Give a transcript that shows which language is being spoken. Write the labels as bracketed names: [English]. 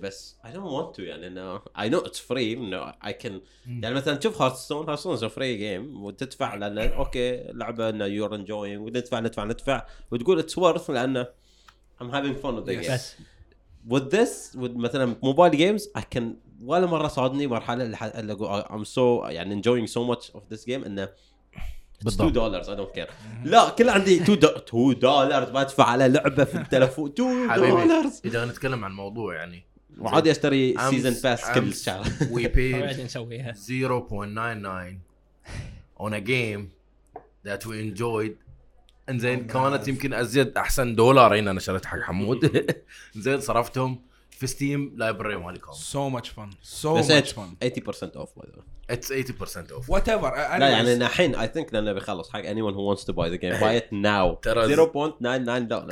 [English] بس I don't want to يعني no. I know it's free no. I can يعني مثلا [Arabic] تشوف هارتستون [English] is a free game [Arabic] وتدفع لان اوكي لعبة انه [English] you're enjoying [Arabic] وتدفع ندفع ندفع وتقول [English] it's worth لان I'm having fun with the game with this with مثلا mobile games I can [Arabic] ولا مرة صادني مرحلة اللي اقول [English] I'm so يعني enjoying so much of this game انه $2 I don't care. [Arabic] لا كل عندي $2 بدفع على لعبة في التلفون $2 إذا نتكلم عن موضوع يعني. وعادي أشتري season pass كل شهر. [English] We paid 0.99 on a game that we enjoyed. And then [Arabic] كانت يمكن أزيد أحسن دولارين أنا شريت حق حمود. زين صرفتهم في Steam library مالي كامل. [English] So much fun. So much fun. 80% off by the way. It's 80% off. Whatever. [Arabic] لا يعني الحين [English] I think [Arabic] لأنه بيخلص حق [English] anyone who wants to buy the game buy it now. $0.99.